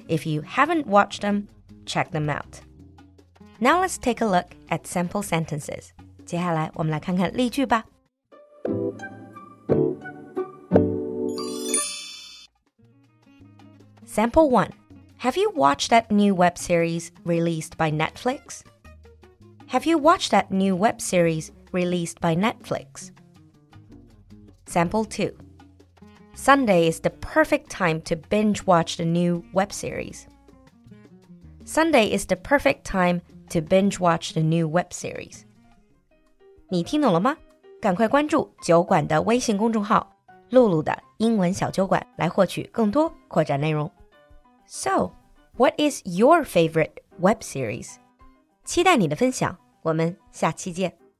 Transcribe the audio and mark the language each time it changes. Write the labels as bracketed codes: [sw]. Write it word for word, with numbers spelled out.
[en] If you haven't watched them, check them out. Now let's take a look at sample sentences. [zh] 接下来我们来看看例句吧。 [en] Sample one. Have you watched that new web series released by Netflix? Have you watched that new web series released by Netflix? Sample two. Sunday is the perfect time to binge watch the new web series. Sunday is the perfect time to binge watch the new web series. [zh] 你听懂了吗？赶快关注酒馆的微信公众号“露露的英文小酒馆”来获取更多扩展内容。 [en] So, what is your favorite web series? [zh] 期待你的分享，我们下期见。